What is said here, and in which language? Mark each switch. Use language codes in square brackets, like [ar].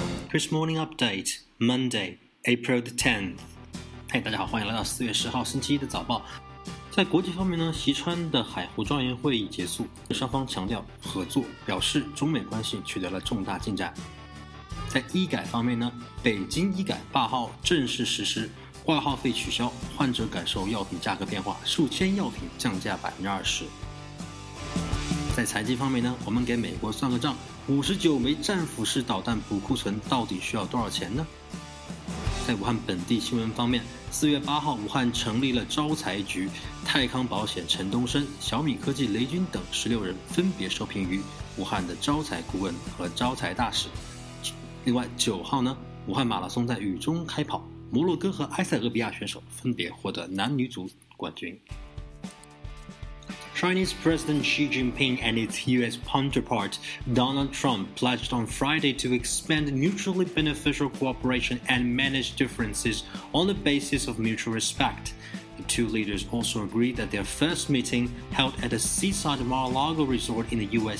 [en] Chris Morning Update, Monday, April the 10th. [zh] 大家好，欢迎来到4月10号星期一的早报。在国际方面呢，习川的海湖庄园会议结束，双方强调合作，表示中美关系取得了重大进展。在医改方面呢，北京医改挂号正式实施，挂号费取消，患者感受药品价格变化，数千药品降价 20%。在财经方面呢，我们给美国算个账，59枚战斧式导弹补库存到底需要多少钱呢？在武汉本地新闻方面，4月8号武汉成立了招财局，泰康保险陈东升、小米科技雷军等16人分别受聘于武汉的招财顾问和招财大使。另外9号呢，武汉马拉松在雨中开跑，摩洛哥和埃塞俄比亚选手分别获得男女组冠军。 [en] Chinese President Xi Jinping and its U.S. counterpart Donald Trump pledged on Friday to expand mutually beneficial cooperation and manage differences on the basis of mutual respect. The two leaders also agreed that their first meeting, held at a seaside Mar-a-Lago resort in the U.S.